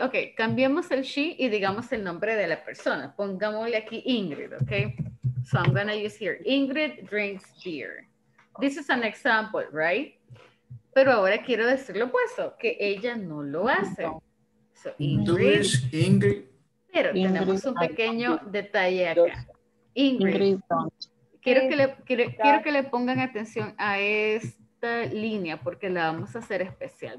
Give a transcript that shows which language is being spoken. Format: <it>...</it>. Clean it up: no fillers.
<es>Okay, cambiemos el she y digamos el nombre de la persona. Pongámosle aquí Ingrid, okay?</es> <en>So I'm going to use here, Ingrid drinks beer. This is an example, right?</en> <es>Pero ahora quiero decir lo opuesto, que ella no lo hace.</es> <en>So, Ingrid. Pero Ingrid,</en> <es>tenemos un pequeño detalle acá. Ingrid, quiero que le pongan atención a esta línea, porque la vamos a hacer especial.</es>